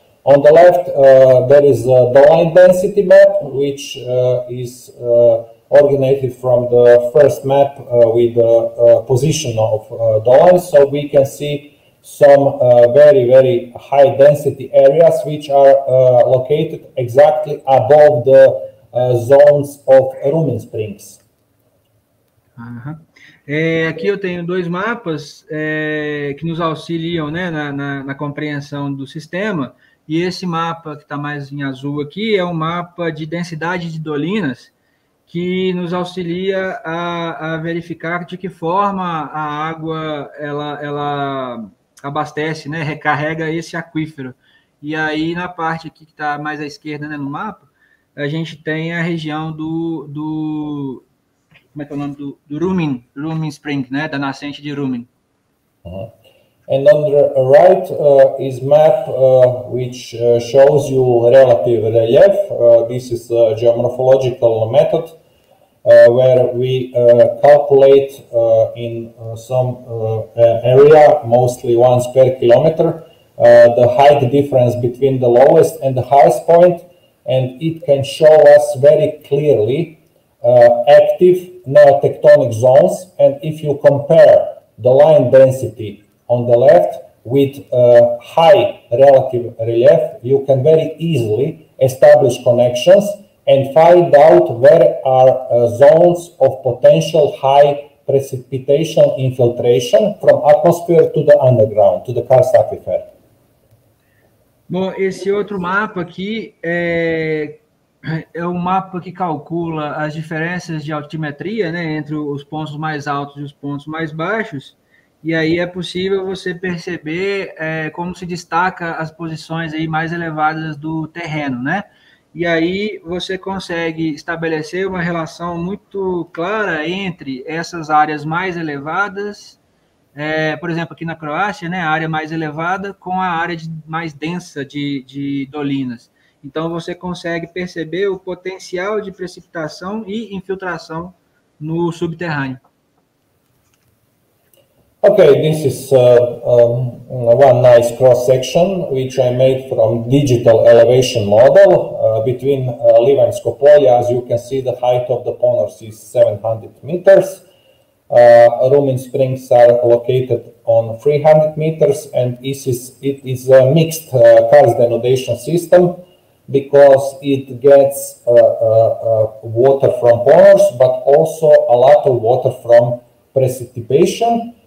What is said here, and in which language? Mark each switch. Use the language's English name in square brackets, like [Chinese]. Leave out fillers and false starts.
[English] On the left, there is a doline density map, which is originated from the first map with the position of dolines. So we can see some very high density areas which are located exactly above the zones of rooming springs. Uh-huh. [Portuguese] Aqui eu tenho dois mapas que nos auxiliam, né, na compreensão do sistema, e esse mapa que está mais em azul aqui é um mapa de densidade de dolinas que nos auxilia a verificar de que forma a água ela abastece, né, recarrega esse aquífero. E aí, na parte aqui que está mais à esquerda, né, no mapa, a gente tem a região do como é que é o nome? Do rooming spring, né, da nascente de rooming. [English] And on the right is map which shows you relative relief. This is a geomorphological method where we calculate in some area, mostly once per kilometer, the height difference between the lowest and the highest point, and it can show us very clearly active neotectonic zones. And if you compare the line density on the left with high relative relief, you can very easily establish connections and find out where are zones of potential high precipitation infiltration from atmosphere to the underground, to the karst aquifer. [Portuguese] Bom, esse outro mapa aqui é um mapa que calcula as diferenças de altimetria, né, entre os pontos mais altos e os pontos mais baixos. E aí é possível você perceber como se destaca as posições aí mais elevadas do terreno, né? E aí você consegue estabelecer uma relação muito clara entre essas áreas mais elevadas, por exemplo, aqui na Croácia, né, a área mais elevada com a área mais densa de dolinas. Então você consegue perceber o potencial de precipitação e infiltração no subterrâneo. [English] Okay, this is one nice cross-section which I made from digital elevation model between Liva and Skopolje. As you can see, the height of the ponors is 700 meters. Rumin Springs are located on 300 meters, and it is a mixed karst denudation system because it gets water from ponors, but also a lot of water from precipitation.